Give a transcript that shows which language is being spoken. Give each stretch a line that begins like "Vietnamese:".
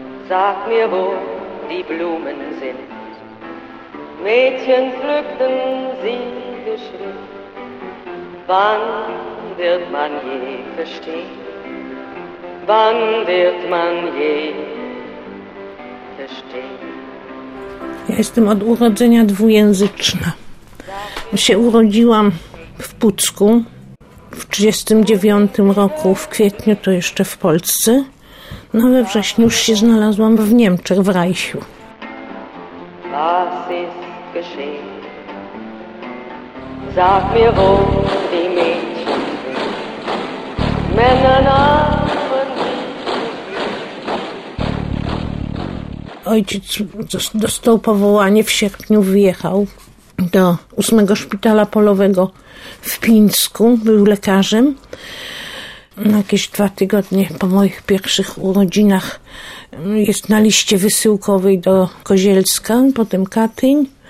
German: sag mir, wo die Blumen sind. Mädchen pflückten sie geschwind. Wann wird man je verstehen? Wann wird man je verstehen?
Polish: Ja jestem od urodzenia dwujęzyczna. Ja się urodziłam w Pucku w 1939 roku, w kwietniu to jeszcze w Polsce. No we wrześniu już się znalazłam w Niemczech, w Reichu.
German: Was ist geschehen? Sag mir, wo die Mädchen sind. Männer namen.
Polish: Ojciec dostał powołanie, w sierpniu wyjechał do 8 szpitala polowego w Pińsku. Był lekarzem. Na jakieś 2 tygodnie po moich pierwszych urodzinach jest na liście wysyłkowej do Kozielska, potem Katyń.